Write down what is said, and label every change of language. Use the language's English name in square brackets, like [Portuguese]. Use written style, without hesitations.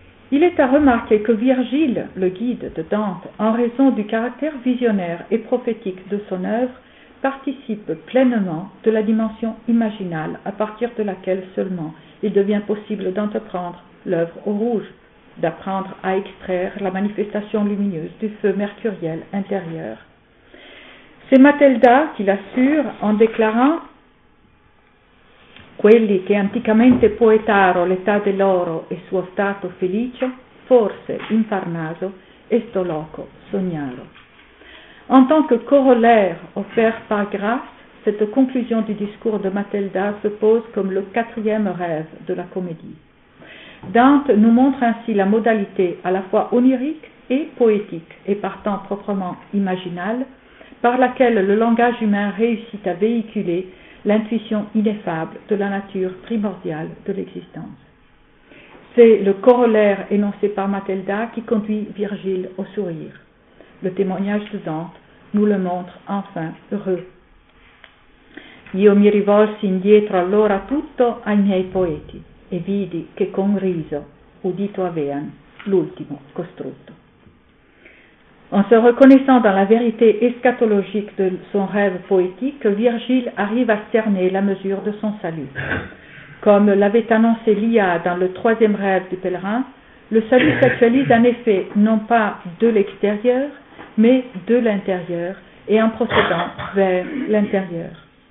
[French] Il est à remarquer que Virgile, le guide de Dante, en raison du caractère visionnaire et prophétique de son œuvre, participe pleinement de la dimension imaginale à partir de laquelle seulement il devient possible d'entreprendre l'œuvre au rouge, d'apprendre à extraire la manifestation lumineuse du feu mercuriel intérieur. C'est Matilda qui l'assure en déclarant [Italian] Quelli che anticamente poetaro l'età dell'oro e suo stato felice, forse infarnaso, esto loco sognaro. [French] En tant que corollaire offert par grâce, cette conclusion du discours de Matilda se pose comme le quatrième rêve de la comédie. Dante nous montre ainsi la modalité à la fois onirique et poétique, et partant proprement imaginale, par laquelle le langage humain réussit à véhiculer l'intuition ineffable de la nature primordiale de l'existence. C'est le corollaire énoncé par Matilda qui conduit Virgile au sourire. Le témoignage de Dante nous le montre enfin heureux. [Italian] Io mi rivolsi indietro allora tutto ai miei poeti e vidi che con riso udito avean l'ultimo costrutto. [French] En se reconnaissant dans la vérité eschatologique de son rêve poétique, Virgile arrive à cerner la mesure de son salut. Comme l'avait annoncé Lia dans le troisième rêve du pèlerin, le salut s'actualise en effet non pas de l'extérieur, mais de l'intérieur et en procédant vers l'intérieur.